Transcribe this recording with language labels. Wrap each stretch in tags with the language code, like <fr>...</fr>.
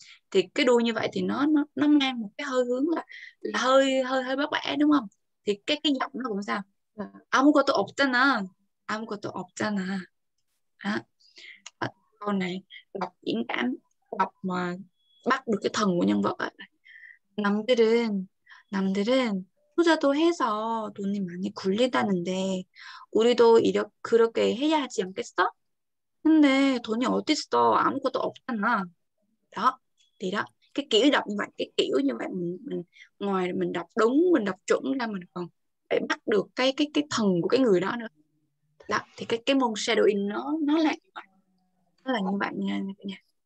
<vi>Thì cái đuôi như vậy thì nó mang một cái hơi hướng là hơi bắt bẻ đúng không? Thì cái giọng nó cũng sao?</vi> <ko>Amugotto opjana. Amugotto opjana.</ko> <vi>À, câu này đọc diễn cảm, đọc mà bắt được cái thần của nhân vật ấy.</vi> <ko>Nam들은 투자도 해서 돈이 많이 굴린다는데 우리도 이렇게 그렇게 해야 하지 않겠어? 근데 돈이 어디 있어? 아무것도 없잖아.</ko> <vi>Đó, thì đó, cái kiểu đọc như vậy, cái kiểu như vậy mình ngoài mình đọc đúng, mình đọc chuẩn ra mình còn phải bắt được cái thần của cái người đó nữa. Đó, thì cái môn shadowing nó là như vậy. Nó là như vậy nha các bạn.</vi>